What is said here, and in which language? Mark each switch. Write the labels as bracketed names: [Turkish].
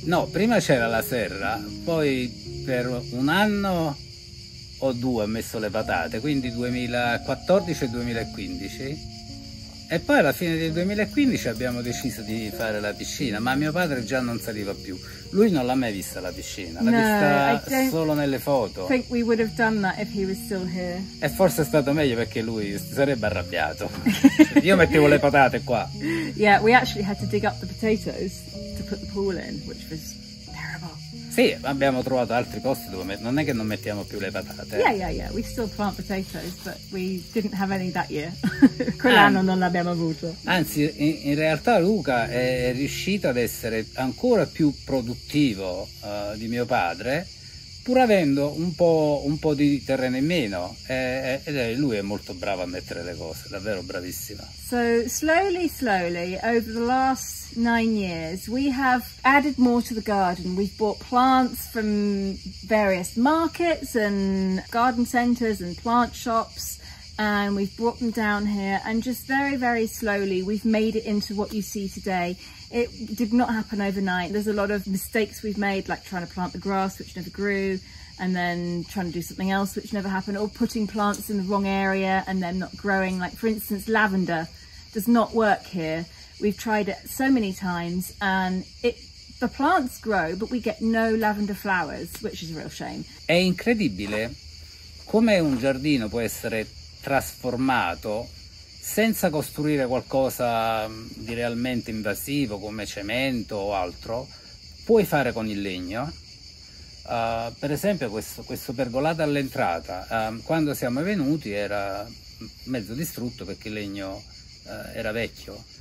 [Italian] No, prima c'era la serra, poi per un anno o due ha messo le patate, quindi 2014 e 2015. E poi alla fine del 2015 abbiamo deciso di fare la piscina, ma mio padre già non saliva più. Lui non l'ha mai vista la piscina, l'ha vista solo nelle foto. [English] I think we would have done that if he was still here. [Italian] E forse è stato meglio perché lui sarebbe arrabbiato. Io mettevo le patate qua. [English] Yeah, we actually had to dig up the potatoes to put the pool in, which was terrible. [Italian] Sì, abbiamo trovato altri posti dove non è che non mettiamo più le patate. [English] Yeah, we still plant potatoes, but we didn't have any that year. [Italian] Quell'anno non l'abbiamo avuto. Anzi, in realtà Luca è riuscito ad essere ancora più produttivo di mio padre, pur avendo un po' di terreno in meno. E lui è molto bravo a mettere le cose, davvero bravissimo. [English] So, slowly, over the last 9 years, we have added more to the garden. We've bought plants from various markets and garden centers and plant shops. And we've brought them down here, and just very, very slowly, we've made it into what you see today. It did not happen overnight. There's a lot of mistakes we've made, like trying to plant the grass, which never grew, and then trying to do something else, which never happened, or putting plants in the wrong area and then not growing. Like, for instance, lavender does not work here. We've tried it so many times, and it The plants grow, but we get no lavender flowers, which is a real shame. [Italian] È incredibile come un giardino può essere trasformato senza costruire qualcosa di realmente invasivo come cemento o altro. Puoi fare con il legno, per esempio questo pergolato all'entrata, quando siamo venuti era mezzo distrutto perché il legno era vecchio.